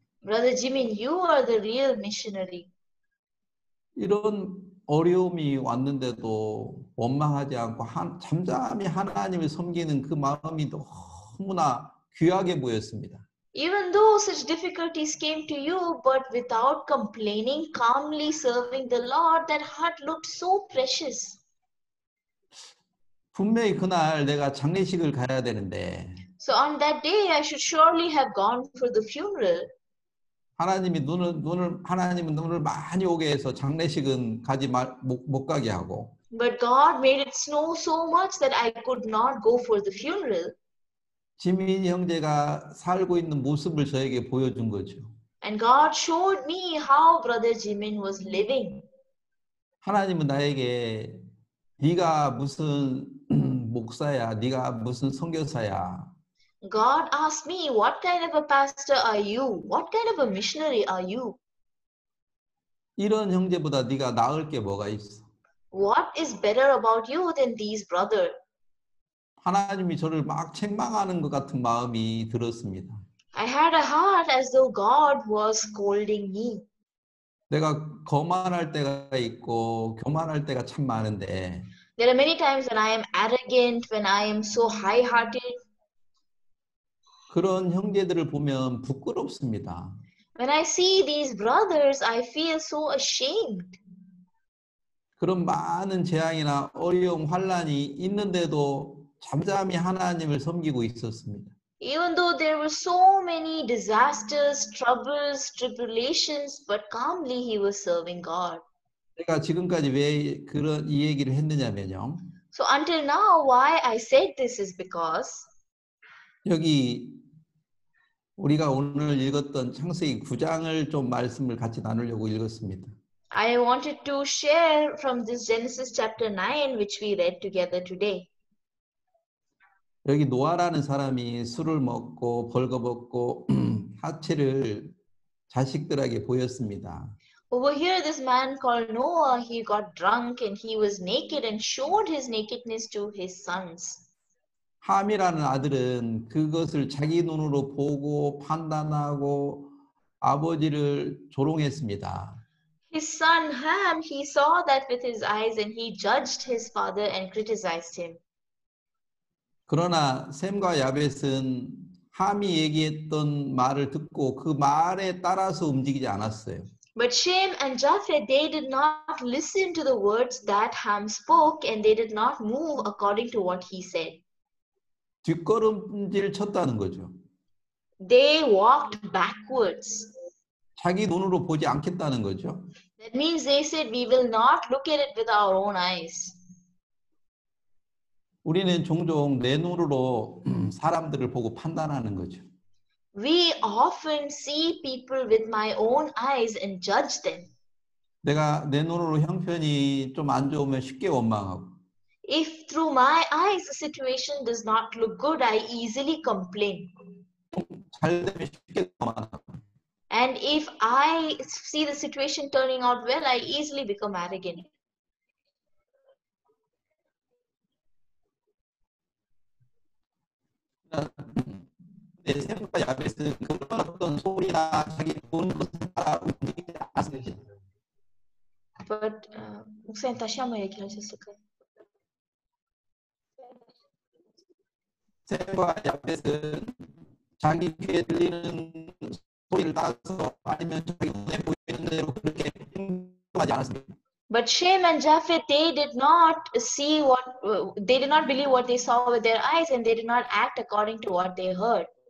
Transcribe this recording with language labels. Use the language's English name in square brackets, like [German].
[English] Brother Jimin, you are the real missionary. [Korean] 이런 어려움이 왔는데도 원망하지 않고 잠잠히 하나님을 섬기는 그 마음이 너무나 귀하게 보였습니다. [English] Even though such difficulties came to you, but without complaining, calmly serving the Lord, that heart looked so precious. [Korean] 분명히 그날 내가 장례식을 가야 되는데. [English] So on that day, I should surely have gone for the funeral. [Korean] 하나님이 하나님은 눈을 많이 오게 해서 장례식은 가지 말 못 가게 하고. [English] But God made it snow so much that I could not go for the funeral. [Korean] 지민 형제가 살고 있는 모습을 저에게 보여준 거죠. [English] And God showed me how Brother Jimin was living. [Korean] 하나님은 나에게 네가 무슨 목사야, 네가 무슨 선교사야. [English] God asked me, what kind of a pastor are you? What kind of a missionary are you? [Korean] 이런 형제보다 네가 나을 게 뭐가 있어? [English] What is better about you than these brothers? [Korean] 하나님이 저를 막 책망하는 것 같은 마음이 들었습니다. [English] I had a heart as though God was scolding me. [Korean] 내가 거만할 때가 있고 교만할 때가 참 많은데. [English] There are many times when I am arrogant, when I am so high-hearted. [Korean] 그런 형제들을 보면 부끄럽습니다. [English] When I see these brothers, I feel so ashamed. [Korean] 그런 많은 재앙이나 어려움, 환난이 있는데도 잠잠히 하나님을 섬기고 있었습니다. [English] Even though there were so many disasters, troubles, tribulations, but calmly he was serving God. [Korean] 내가 지금까지 왜 그런 이 얘기를 했느냐면요. [English] So until now, why I said this is because [Korean] 여기 우리가 오늘 읽었던 창세기 9장을 좀 말씀을 같이 나누려고 읽었습니다. [English] I wanted to share from this Genesis chapter 9, which we read together today. [Korean] 여기 노아라는 사람이 술을 먹고 벌거벗고 하체를 자식들에게 보였습니다. [English] Over here, this man called Noah, he got drunk and he was naked and showed his nakedness to his sons. [Korean] 함이라는 아들은 그것을 자기 눈으로 보고 판단하고 아버지를 조롱했습니다. [English] His son Ham, he saw that with his eyes and he judged his father and criticized him. [Korean] 그러나 샘과 야벳은 함이 얘기했던 말을 듣고 그 말에 따라서 움직이지 않았어요. [English] But Shem and Japheth, they did not listen to the words that Ham spoke and they did not move according to what he said. [Korean] 뒷걸음질 쳤다는 거죠. [English] They walked backwards. [Korean] 자기 눈으로 보지 않겠다는 거죠. [English] That means they said we will not look at it with our own eyes. [Korean] 우리는 종종 내 눈으로 사람들을 보고 판단하는 거죠. [English] We often see people with my own eyes and judge them. [Korean] 내가 내 눈으로 형편이 좀 안 좋으면 쉽게 원망하고. [English] If through my eyes the situation does not look good, I easily complain. [Korean] 잘 되면 쉽게 원망하고. [English] And if I see the situation turning out well, I easily become arrogant. [Korean] 내 샘과 야벳은 그런 어떤 소리나 자기 보는 것을 따라 움직이지 않았습니다. But 목사님 다시 한번 얘기하셨을까요? 샘과 야벳은 자기 귀에 들리는 소리를 따라서 아니면 자기 눈에 보이는 대로 그렇게 행동하지 않았습니다. [English] But Shem and Japheth, they did not see what, they did not believe what they saw with their eyes and they did not act according to what they heard.